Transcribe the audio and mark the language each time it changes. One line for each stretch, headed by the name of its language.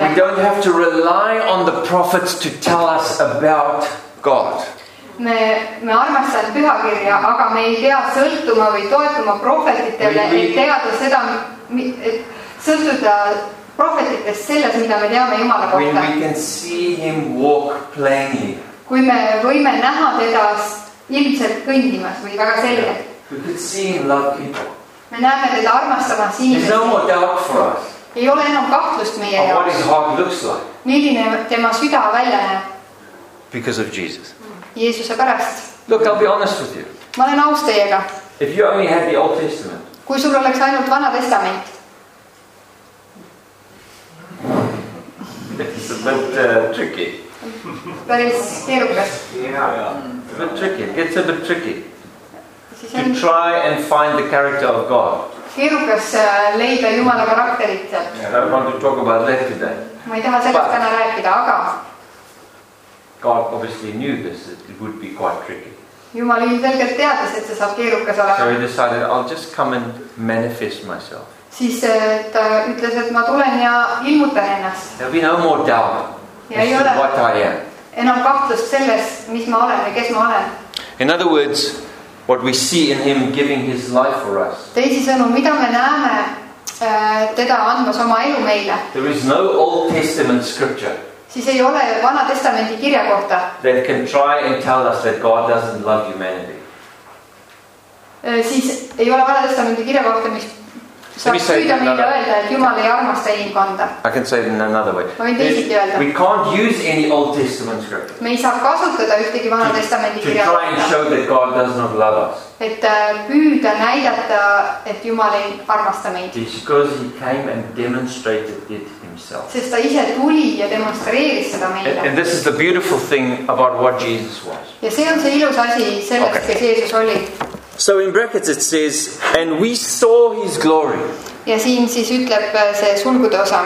English: we don't have to rely on the prophets to tell us about God.
Estonian: Me armastan pühakirja, aga me ei pea sõltuma või toetuma prohvetitele, et teada seda, et sõltuda prohvetitest selles, mida me teame Jumala kohta.
English: When we can see him walk plainly.
Estonian: Kui me võime näha teda ilmselt kõndimas või väga selgelt.
English: We could see him love people.
Estonian: Me näeme teda armastamas inimesi.
English: There's no more doubt for us.
Estonian: Ei ole enam kahtlust meie jaoks.
English: Of what his heart looks like.
Estonian: Milline tema süda välja näeb.
English: Because of Jesus.
Estonian: Jeesuse pärast.
English: Look, I'll be honest with you.
Estonian: Ma olen aus teiega.
English: If you only had the Old Testament.
Estonian: Kui sul oleks ainult Vana Testament.
English: It's a bit tricky.
Estonian: Päris keerukas.
English: Yeah. A bit tricky. It gets a bit tricky. To try and find the character of God.
Estonian: Keerukas leida Jumala karakterit.
English: Yeah, I don't want to talk about that today.
Estonian: Ma ei taha sellest täna rääkida, aga
English: God obviously knew this, it would be quite tricky.
Estonian: Jumal ilmselgelt teadis, et see saab keerukas olema.
English: So he decided, I'll just come and manifest myself.
Estonian: Siis ta ütles, et ma tulen ja ilmutan ennast.
English: There'll be no more doubt as to what I am.
Estonian: Enam kahtlust selles, mis ma olen ja kes ma olen.
English: In other words, what we see in him giving his life for us.
Estonian: Teisi sõnu, mida me näeme teda andmas oma elu meile.
English: There is no Old Testament scripture.
Estonian: Siis ei ole Vana Testamenti kirja kohta.
English: That can try and tell us that God doesn't love humanity.
Estonian: Siis ei ole Vana Testamenti kirja kohta, mis saaks püüda meile öelda, et Jumal ei armasta inimkonda.
English: I can say it in another way.
Estonian: Ma võin teisiti öelda.
English: We can't use any Old Testament scripture.
Estonian: Me ei saa kasutada ühtegi Vana Testamendi kirja.
English: To try and show that God does not love us.
Estonian: Et püüda näidata, et Jumal ei armasta meid.
English: It's because he came and demonstrated it himself.
Estonian: Sest ta ise tuli ja demonstreeris seda meile.
English: And this is the beautiful thing about what Jesus was.
Estonian: Ja see on see ilus asi sellest,
English: okay.
Estonian: Kes Jeesus oli.
English: So in brackets it says, and we saw his glory.
Estonian: Ja siin siis ütleb see sulgude osa.